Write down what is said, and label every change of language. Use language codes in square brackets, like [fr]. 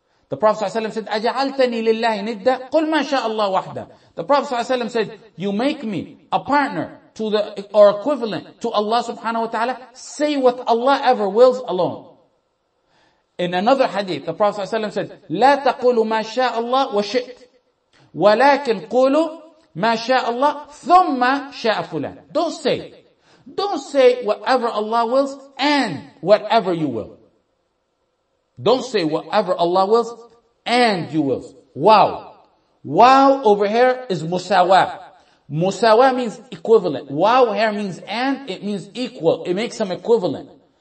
[en] The Prophet ﷺ said, [ar] أَجَعَلْتَنِي لِلَّهِ نِدَّ قُلْ مَا شَاءَ اللَّهُ وَحْدًا. [en] The Prophet ﷺ said, you make me a partner to the, or equivalent to Allah subhanahu wa ta'ala, say what Allah ever wills alone. In another hadith, the Prophet ﷺ said, [ar] لَا تَقُولُ مَا شَاءَ اللَّهُ وَشِئْتْ وَلَكِنْ قُولُ مَا شَاءَ اللَّهُ ثُمَّ شَاءَ فُلَانٌ. [en] Don't say whatever Allah wills and whatever you will. Don't say whatever Allah wills and you wills. Wow. Wow over here is musawah. Musawah means equivalent. Wow here means and, it means equal. It makes them equivalent.